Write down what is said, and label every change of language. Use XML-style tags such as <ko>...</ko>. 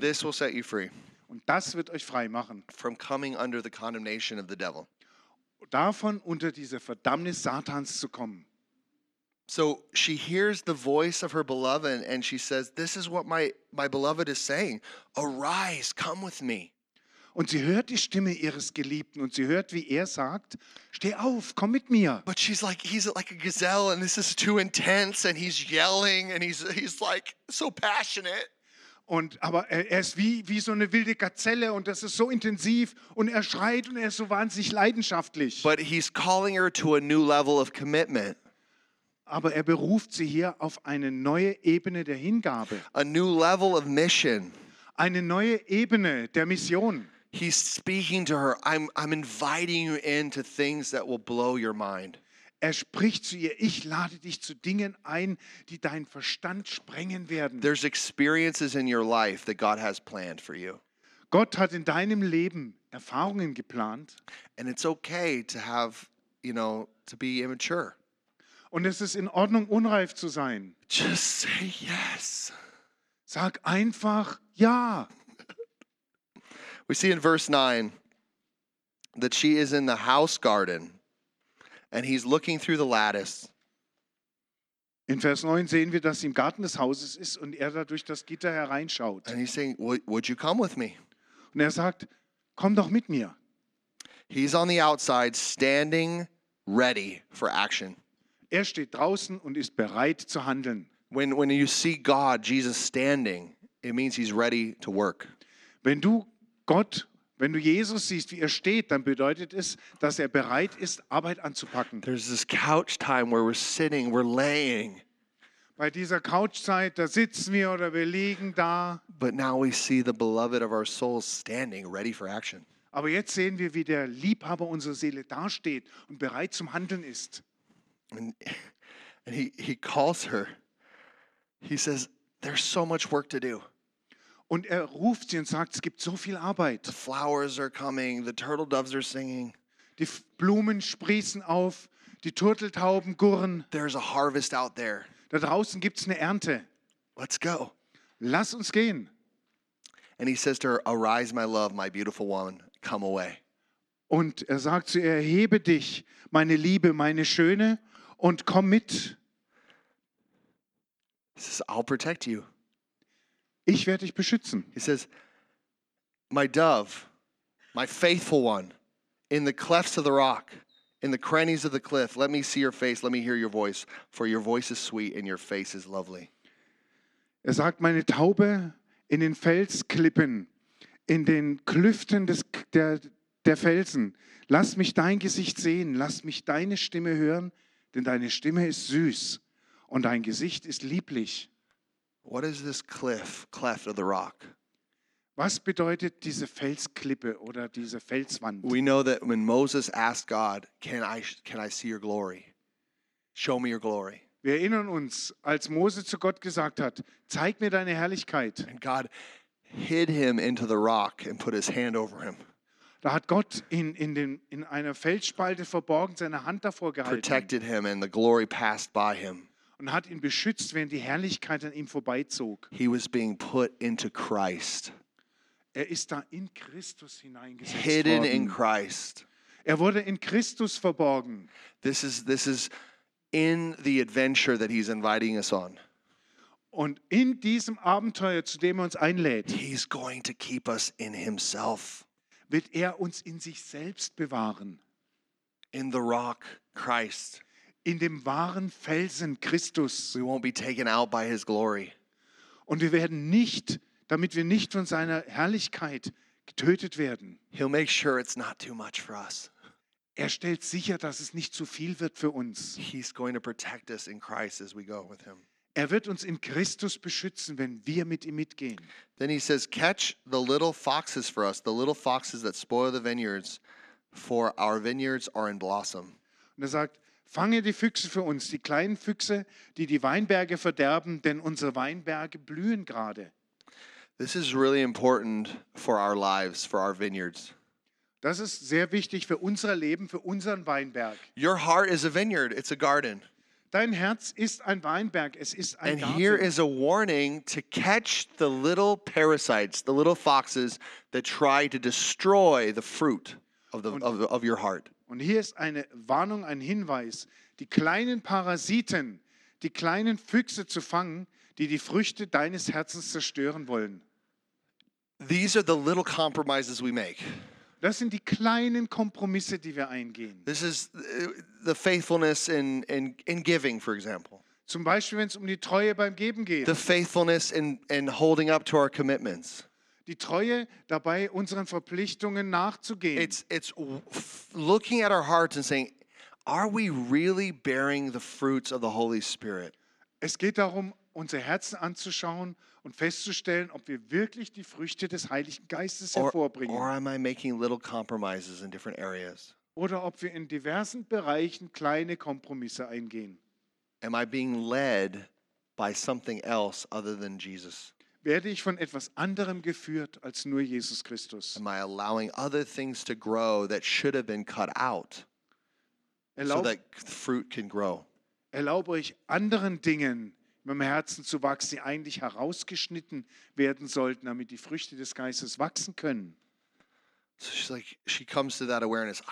<en>This will set you free.</en> <de>Und das wird euch frei machen.</de> <en>From coming under the condemnation of the devil.</en> <de>Davon unter diese Verdammnis Satans zu kommen.</de> <en>So she hears the voice of her beloved and she says, this is what my beloved is saying. Arise, come with me.</en> <de>Und sie hört die Stimme ihres Geliebten und sie hört, wie sagt, steh auf, komm mit mir.</de> <en>But she's like, he's like a gazelle and this is too intense and he's yelling and he's like so passionate.</en> <de>Und aber ist wie so eine wilde Gazelle und das ist so intensiv und schreit und so wahnsinnig leidenschaftlich.</de> <en>But he's calling her to a new level of commitment.</en> <de>Aber beruft sie hier auf eine neue Ebene der Hingabe.</de> <en>A new level of mission.</en> <de>Eine neue Ebene der Mission.</de> <en>He's speaking to her. I'm inviting you into things that will blow your mind.</en> <de>Spricht zu ihr, ich lade dich zu Dingen ein, die deinen Verstand sprengen werden.</de> <en>There's experiences in your life that God has planned for you.</en> <de>Gott hat in deinem Leben Erfahrungen geplant.</de> <en>And it's okay to have, you know, to be immature.</en> <de>Und es ist in Ordnung, unreif zu sein.</de> <en>Just say yes.</en> <de>Sag einfach ja.</de> <en>We see in verse 9 that she is in the house garden and he's looking through the lattice.</en> <de>In Vers 9 sehen wir, dass sie im Garten des Hauses ist und er da durch das Gitter hereinschaut.</de> <en>And he's saying, would you come with me?</en> <de>Und er sagt, komm doch mit mir.</de> <en>He's on the outside standing ready for action.</en> <de>Er steht draußen und ist bereit zu handeln.</de> <en>When you see God, Jesus standing, it means he's ready to work.</en> <de>Wenn du Gott, wenn du Jesus siehst, wie er steht, dann bedeutet es, dass er bereit ist, Arbeit anzupacken.</de> <en>There's this couch time where we're sitting, we're laying.</en> <de>Bei dieser Couchzeit, da sitzen wir oder wir liegen da.</de> <en>But now we see the beloved of our souls standing, ready for action.</en> <de>Aber jetzt sehen wir, wie der Liebhaber unserer Seele dasteht und bereit zum Handeln ist.</de> <en>And he calls her. He says, there's so much work to do.</en> <de>Und er ruft sie und sagt, es gibt so viel Arbeit.</de> <en>The flowers are coming, the turtle doves are singing.</en> <de>Die Blumen sprießen auf, die Turteltauben gurren.</de> <en>There's a harvest out there.</en> <de>Da draußen gibt's eine Ernte.</de> <en>Let's go.</en> <de>Lass uns gehen.</de> <en>And he says to her, arise, my love, my beautiful woman, come away.</en> <de>Und er sagt zu ihr, erhebe dich, meine Liebe, meine Schöne, und komm mit.</de> <en>He says, I'll protect you.</en> <de>Ich werde dich beschützen.</de> <en>He says, my dove, my faithful one, in the clefts of the rock, in the crannies of the cliff, let me see your face, let me hear your voice, for your voice is sweet and your face is lovely.</en> <de>Er sagt, meine Taube in den Felsklippen, in den Klüften der Felsen, lass mich dein Gesicht sehen, lass mich deine Stimme hören, denn deine Stimme ist süß und dein Gesicht ist lieblich.</de> <en>What is this cliff, cleft of the rock?</en> <de>Was bedeutet diese Felsklippe oder diese Felswand?</de> <en>We know that when Moses asked God, can I see your glory? Show me your glory.</en> <de>Wir erinnern uns, als Mose zu Gott gesagt hat, zeig mir deine Herrlichkeit.</de> <en>And God hid him into the rock and put his hand over him.</en> <de>Da hat Gott ihn in einer Felsspalte verborgen, seine Hand davor gehalten.</de> <en>Protected him and the glory passed by him.</en> <de>Und hat ihn beschützt, während die Herrlichkeit an ihm vorbeizog.</de> <en>He was being put into Christ.</en> <de>Er ist da in Christus hineingesetzt</de> <en>Hidden</en> <de>worden.</de> <en>In Christ.</en> <de>Er wurde in Christus verborgen.</de> <en>This is in the adventure that he's inviting us on.</en> <de>Und in diesem Abenteuer, zu dem er uns einlädt,</de> <en>he's going to keep us in himself.</en> <de>Wird er uns in sich selbst bewahren.</de> <en>In the rock, Christ.</en> <de>In dem wahren Felsen, Christus.</de> <en>We won't be taken out by his glory.</en> <de>Und wir werden nicht, damit wir nicht von seiner Herrlichkeit getötet werden.</de> <en>He'll make sure it's not too much for us.</en> <de>Er stellt sicher, dass es nicht zu viel wird für uns.</de> <en>He's going to protect us in Christ as we go with him.</en> <de>Er wird uns in Christus beschützen, wenn wir mit ihm mitgehen.</de> <en>Then he says, catch the little foxes for us, the little foxes that spoil the vineyards, for our vineyards are in blossom.</en> <de>Und er sagt, fange die Füchse für uns, die kleinen Füchse, die die Weinberge verderben, denn unsere Weinberge blühen gerade.</de> <en>This is really important for our lives, for our vineyards.</en> <de>Das ist sehr wichtig für unser Leben, für unseren Weinberg.</de> <en>Your heart is a vineyard, it's a garden.</en> <de>Dein Herz ist ein Weinberg, es ist ein</de> <en>And</en> <de>Garten.</de> <en>Here is a warning to catch the little parasites, the little foxes that try to destroy the fruit of your heart.</en> <de>Und hier ist eine Warnung, ein Hinweis, die kleinen Parasiten, die kleinen Füchse zu fangen, die die Früchte deines Herzens zerstören wollen.</de> <en>These are the little compromises we make.</en> <de>Das sind die kleinen Kompromisse, die wir eingehen.</de> <en>This is the faithfulness in giving, for example.</en> <de>Zum Beispiel, wenn es um die Treue beim Geben geht.</de> <en>The faithfulness in holding up to our commitments.</en> <de>Die Treue dabei, unseren Verpflichtungen nachzugehen.</de> <en>It's looking at our hearts and saying, are we really bearing the fruits of the Holy Spirit?</en> <de>Es geht darum, unser Herzen anzuschauen und festzustellen, ob wir wirklich die Früchte des Heiligen Geistes hervorbringen.</de> <en>Or am I making little compromises in different areas?</en> <de>Oder ob wir in diversen Bereichen kleine Kompromisse eingehen.</de> <en>Am I being led by something else other than Jesus?</en> <de>Werde ich von etwas anderem geführt als nur Jesus Christus?</de> <en>Am I allowing other things to grow that should have been cut out so that fruit can grow?</en> <de>erlaube euch anderen Dingen in meinem Herzen zu wachsen, die eigentlich herausgeschnitten werden sollten, damit die Früchte des Geistes wachsen können.</de> <en>So she's like, she comes to that awareness.</en>